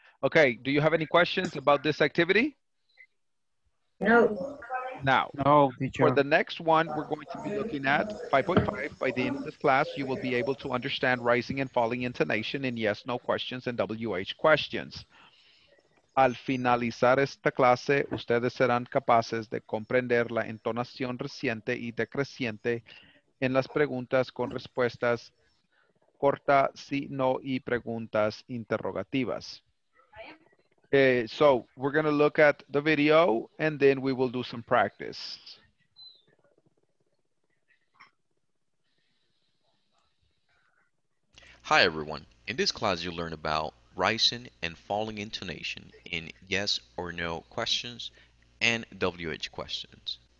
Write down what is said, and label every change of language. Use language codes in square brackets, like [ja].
[en] Okay, do you have any questions about this activity? No. Now, no, teacher. For the next one, we're going to be looking at 5.5. By the end of this class, you will be able to understand rising and falling intonation in yes, no questions and WH questions. [es] Al finalizar esta clase, ustedes serán capaces de comprender la entonación reciente y decreciente en las preguntas con respuestas corta, sí, no, y preguntas interrogativas. [en] So, we're going to look at the video and then we will do some practice. Hi, everyone. In this class, you'll learn about rising and falling intonation in yes or no questions and WH questions.